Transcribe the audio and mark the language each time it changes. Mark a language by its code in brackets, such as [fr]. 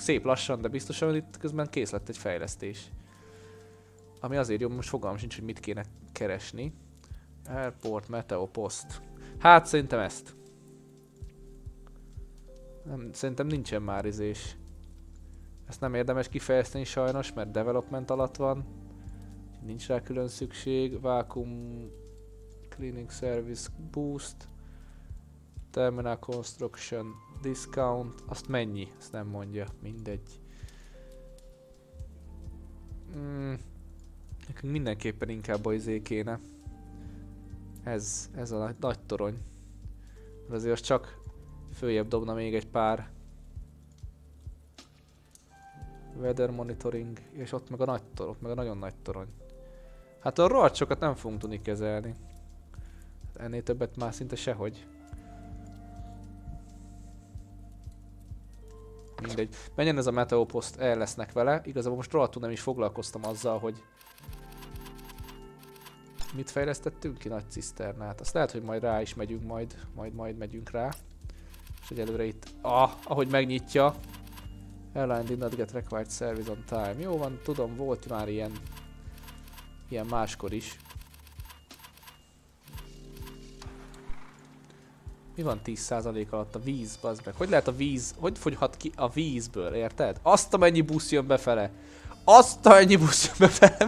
[hu] Szép lassan, de biztosan, hogy itt közben kész lett egy fejlesztés. Ami azért jó, most fogalmam sincs, hogy mit kéne keresni. [en] Airport, Meteo, Post. [hu] Hát szerintem ezt. Nem, szerintem nincsen már izés. Ezt nem érdemes kifejezteni sajnos, mert development alatt van. Nincs rá külön szükség. [en] Vacuum cleaning service boost. Terminal construction discount. [hu] Azt mennyi? Ezt nem mondja. Mindegy. Nekünk mindenképpen inkább a izé kéne. Ez a nagy torony. Mert azért az csak följebb dobna még egy pár. [en] Weather monitoring, [hu] és ott meg a nagy torony, ott meg a nagyon nagy torony. Hát a rohadt sokat nem fogunk tudni kezelni. Ennél többet már szinte sehogy. Mindegy. Menjen ez a meteoposzt, el lesznek vele. Igazából most rohadtul nem is foglalkoztam azzal, hogy... Mit fejlesztettünk ki nagy ciszternát? Azt lehet, hogy majd rá is megyünk majd. Majd megyünk rá. És egyelőre itt... ahogy megnyitja. [en] Airline did not get required service on time. [hu] Jó van, tudom, volt már ilyen máskor is. Mi van 10% alatt a víz, bazd meg? Hogy lehet a víz, hogy fogyhat ki a vízből, érted? Azt a mennyi busz jön befele! Azt a mennyi busz jön befele!